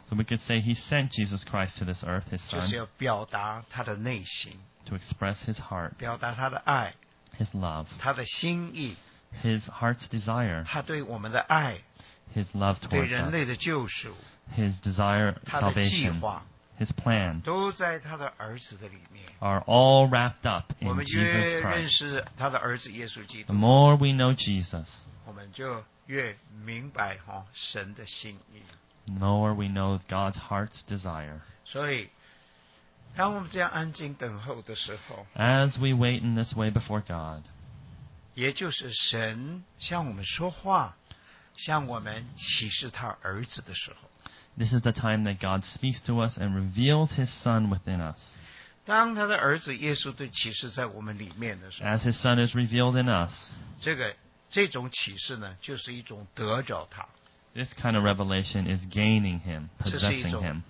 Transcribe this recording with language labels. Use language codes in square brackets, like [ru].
[en] So we could say he sent Jesus Christ to this earth, his son. [zh] 就是要表达他的内心。 [en] To express his heart. [zh] 表达他的爱。 [en] His love. [zh] 他的心意。 [en] His heart's desire. [zh] 他对我们的爱。 [en] His love towards us. [zh] 对人类的救赎。 [en] His desire, salvation. [zh] 他的计划。 [en] His plan [zh] 都在他的儿子的里面 [en] are all wrapped up in Jesus Christ. [zh] 我们越认识他的儿子耶稣基督 [en] The more we know Jesus, [zh] 我们就越明白哈神的心意。 [en] Nor we know God's heart's desire. [zh] 所以，当我们这样安静等候的时候 [en] ，As we wait in this way before God， [zh] 也就是神向我们说话，向我们启示他儿子的时候。 [en] This is the time that God speaks to us and reveals His Son within us. [zh] 当他的儿子耶稣的启示在我们里面的时候 [en] ，As His Son is revealed in us， [zh] 这种启示呢，就是一种得着他。 [en] This kind of revelation is gaining him, possessing him.